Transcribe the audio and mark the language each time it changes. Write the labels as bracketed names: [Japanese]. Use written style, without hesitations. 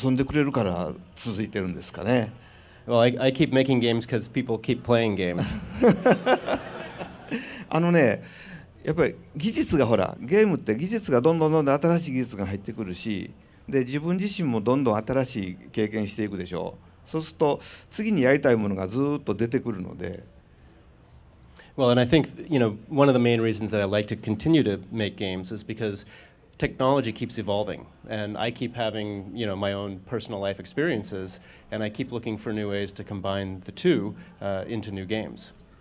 [English] Well, I keep making games because people keep playing games. [Japanese] あのね、やっぱり技術がほら、ゲームって技術がどんどんどんどん新しい技術が入ってくるし、で、自分自身もどんどん新しい経験していくでしょう。そうすると次にやりたいものがずっと出てくるので。 [English] Well, and I think, you know, one of the main reasons that I like to continue to make games is because technology keeps evolving. And I keep having, you know, my own personal life experiences, and I keep looking for new ways to combine the two into new games.